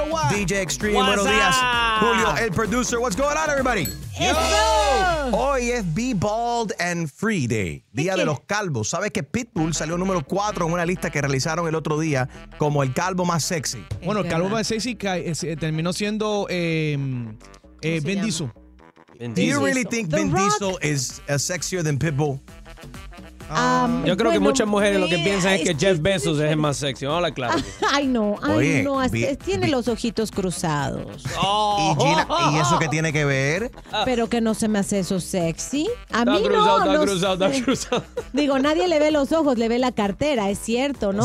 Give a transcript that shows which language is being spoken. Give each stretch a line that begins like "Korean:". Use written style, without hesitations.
English: DJ Extreme,
Spanish: buenos días.
English: Julio, el producer. What's going on, everybody?
Spanish: Hoy es Be Bald and Free Day, Día de los Calvos. ¿Sabes que Pitbull salió número 4 en una lista que realizaron el otro día como el calvo más sexy? Bueno, el calvo más sexy terminó siendo Vin Diesel.
English: Do you really think Vin Diesel is sexier than Pitbull?
Spanish: Yo creo que muchas mujeres lo que piensan es que Jeff Bezos es el más sexy. Vamos a hablar claro. Ay, no. Tiene los ojitos cruzados. Oh. ¿Y Gina, y eso qué tiene que ver? Pero que no se me hace eso sexy. Está cruzado. Digo, nadie le ve los ojos, le ve la cartera, es cierto, ¿no?